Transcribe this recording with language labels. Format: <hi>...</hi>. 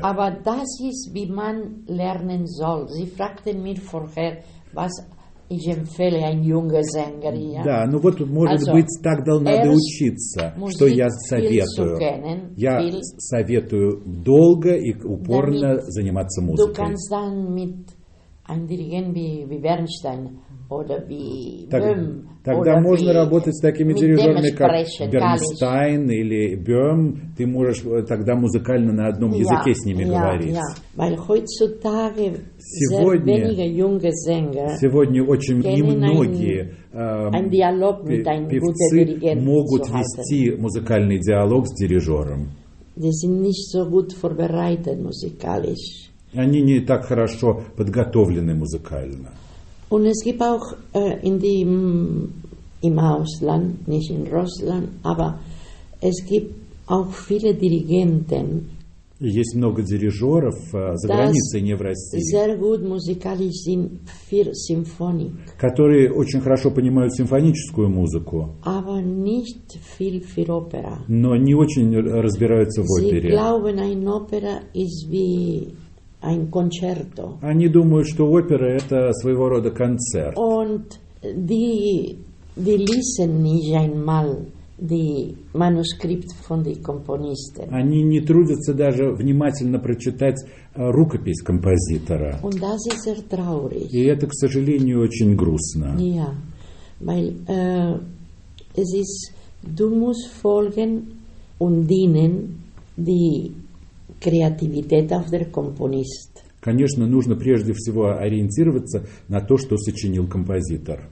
<de>Aber das ist, wie man lernen soll. Sie fragten mir vorher, was ich empfehle, ein junger Sänger, ja.</de> <ru>Да, ну вот, может also, быть, так надо учиться, что я советую.</ru> <de>Kennen,</de> <ru>я советую долго и упорно заниматься музыкой.</ru> <de>Du kannst dann mit einem Dirigenten wie Bernstein oder wie Böhm.</de> <ru>Тогда можно работать с такими дирижерами, как Бернстайн или Бёрм. Ты можешь тогда музыкально на одном языке с ними говорить. Сегодня очень немногие певцы могут вести музыкальный диалог с дирижером. Они не так хорошо подготовлены музыкально.</ru> <de>Und es gibt auch in dem im Ausland, nicht in Russland, aber es gibt auch viele Dirigenten.</de> <ru>Есть много дирижеров за границей, не в России.</ru> <de>Sehr gut musikalisch sind für symphonic.</de> <ru>Которые очень хорошо понимают симфоническую музыку.</ru> <de>Aber nicht viel für Opera.</de> <ru>Но не очень разбираются в опере.</ru> <de>Sie glauben, ein Opera ist wie ein Concerto.</de> <ru>Они думают, что опера это своего рода концерт.</ru> <de>Und die lesen nicht einmal die Manuskript von die Komponisten.</de> <ru>Они не трудятся даже внимательно прочитать рукопись композитора.</ru> <de>Und das ist sehr traurig.</de> <ru>И это, к сожалению, очень грустно.</ru> <de>Ja, weil es ist, du musst folgen und dienen die Kreativität auf der Komponist.</de> <ru>Конечно, нужно прежде всего ориентироваться на то, что сочинил композитор.</ru>